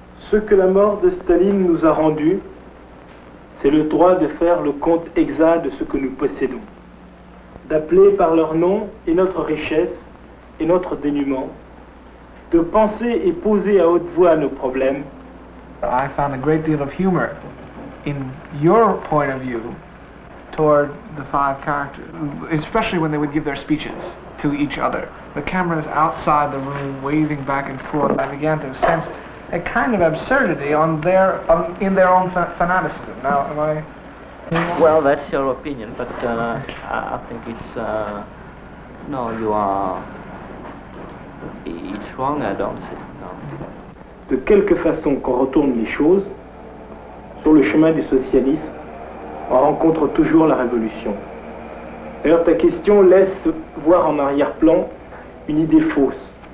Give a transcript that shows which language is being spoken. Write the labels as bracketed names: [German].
[French] Ce que la mort de Staline nous a rendu, c'est le droit de faire le compte exact de ce que nous possédons, d'appeler par leur nom et notre richesse et notre dénuement, de penser et poser à haute voix nos problèmes. [English] I found a great deal of humor in your point of view toward the five characters, especially when they would give their speeches to each other. The cameras outside the room waving back and forth, I began to sense a kind of absurdity on their in their own fanaticism. Now, am I? Well, that's your opinion, but I think it's no, you are. It's wrong. I don't see. No. [French] De quelque façon qu'on retourne les choses, sur le chemin du socialisme, on rencontre toujours la révolution. D'ailleurs, ta question laisse voir en arrière-plan une idée fausse.